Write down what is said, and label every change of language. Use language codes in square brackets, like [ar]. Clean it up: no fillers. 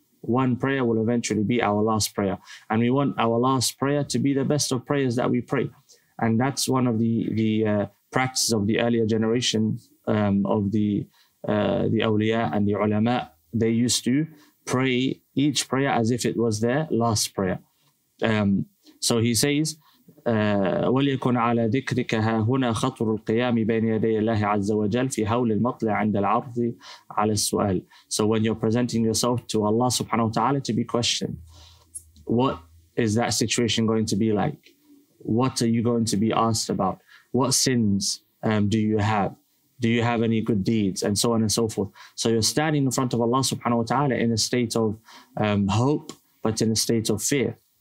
[en] One prayer will eventually be our last prayer. And we want our last prayer to be the best of prayers that we pray. And that's one of the practices of the earlier generation of the the awliya and the ulama, they used to pray each prayer as if it was their last prayer. So he says, [ar] وَلْيَكُنْ عَلَى ذِكْرِكَ هَا هُنَا خَطْرُ الْقِيَامِ بَيْنِ يَدَيَ اللَّهِ عَزَّ وَجَلْ فِي هَوْلِ الْمَطْلِ عَنْدَ الْعَرْضِ عَلَى السُّؤَالِ. [en] So when you're presenting yourself to Allah subhanahu wa ta'ala to be questioned, what is that situation going to be like? What are you going to be asked about? What sins do you have? Do you have any good deeds? And so on and so forth. So you're standing in front of Allah subhanahu wa ta'ala in a state of hope, but in a state of fear.